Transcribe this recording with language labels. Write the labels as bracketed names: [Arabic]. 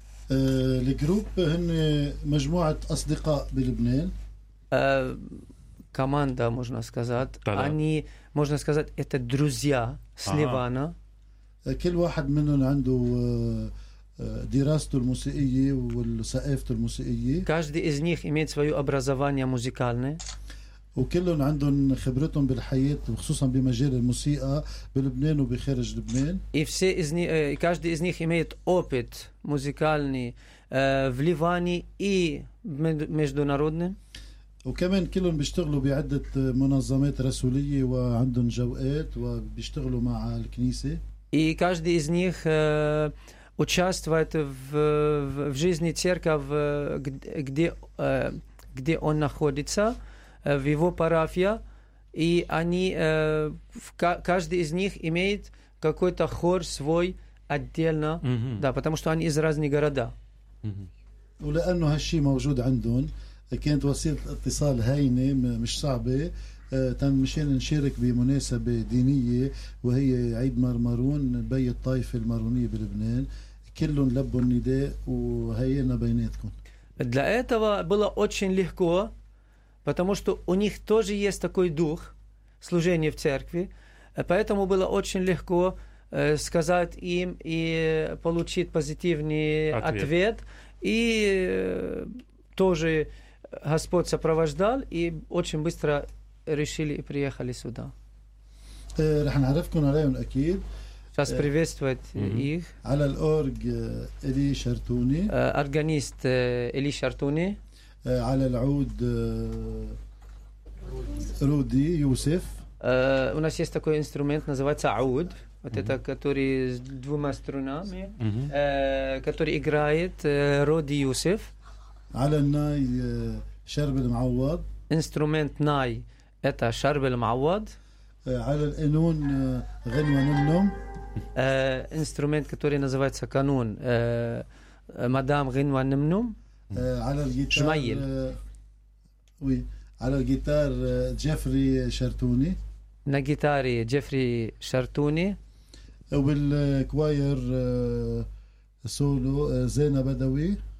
[Arabic] الجروب هن مجموعة أصدقاء بلبنان. كمان ده [Russian] можно сказать. Они можно сказать это друзья с Ливана. [Arabic] كل واحد منهم عنده دراسته الموسيقية والسقافته الموسيقية. [Russian] Каждый из них имеет свое образование музыкальное. [Arabic] وكلهم عندهم خبرتهم بالحياة وخصوصا بمجال الموسيقى بلبنان وبخارج لبنان. [Russian] И все из них, каждый из них имеет опыт музыкальный в Ливане и международный. [Arabic] وكمان كلهم بيشتغلوا بعدة منظمات رسولية وعندهم جوقات وبيشتغلوا مع الكنيسة. [Russian] И каждый из них участвует в жизни церкви, где он находится. В его парафия, и они, каждый из них имеет какой-то хор свой отдельно, mm-hmm. да, потому что они из разных городов. [Arabic] ولأنه هالشي موجود عندهم كانت وسيلة اتصال هينة مش صعبة مشان نشارك بمناسبة دينية وهي عيد مرمرون بي الطائفة المارونية بلبنان كلهم لبوا النداء وهينا بيناتكم. [Russian] Для этого было очень легко. Потому что у них тоже есть такой дух служения в церкви, поэтому было очень легко сказать им и получить позитивный ответ. И тоже Господь сопровождал, и очень быстро решили и приехали сюда. Сейчас приветствовать их. Органист Эли Шартуни. [Arabic] على العود رودي يوسف. [Russian] У нас есть такой инструмент, называется عود. Вот это, который с двумя струнами, который играет Роди Юсеф. [Arabic] على الناي شربل معوض. [Russian] Инструмент ناي это شربل معوض. [Arabic] على القانون غنوة ننم. [Russian] Инструмент, который называется канун, мадам غنوة ننم. [Arabic] على الجيتار على الجيتار جيفري شارتوني نا جيتاري جيفري شارتوني وبالكواير سولو زينة بدوي